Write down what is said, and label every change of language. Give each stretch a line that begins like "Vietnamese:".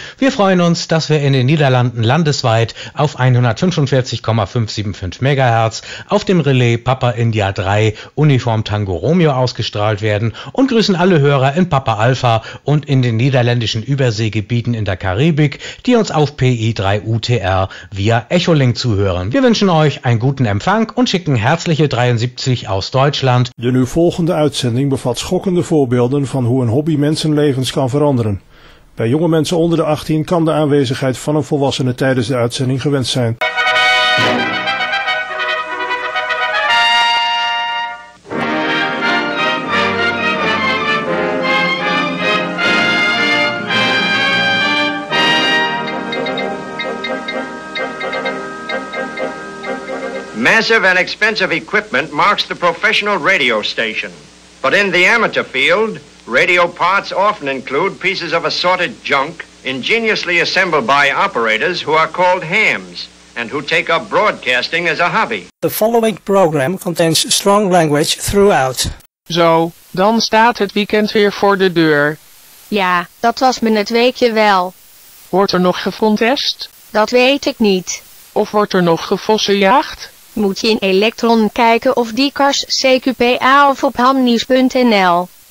German: Wir freuen uns, dass wir in den Niederlanden landesweit auf 145,575 MHz auf dem Relais Papa India 3 Uniform Tango Romeo ausgestrahlt werden und grüßen alle Hörer in Papa Alpha und in den niederländischen Überseegebieten in der Karibik, die uns auf PI3 UTR via Echolink zuhören. Wir wünschen euch einen guten Empfang und schicken herzliche 73 aus Deutschland.
Dutch: De nu volgende uitzending bevat schokkende voorbeelden van hoe een hobby mensenlevens kan veranderen. Bij jonge mensen onder de 18 kan de aanwezigheid van een volwassene tijdens de uitzending gewenst zijn.
English: Massive and expensive equipment marks the professional radio station. But in the amateur field, radio parts often include pieces of assorted junk ingeniously assembled by operators who are called hams and who take up broadcasting as a hobby. The following program contains strong language throughout.
Dutch: Zo, dan staat het weekend weer voor de deur. Ja, dat was me het weekje wel. Wordt er nog gefontest? Dat weet ik niet. Of wordt er nog gevossenjaagd? Moet je in Electron kijken of die kars CQPA of op hamnieuws.nl?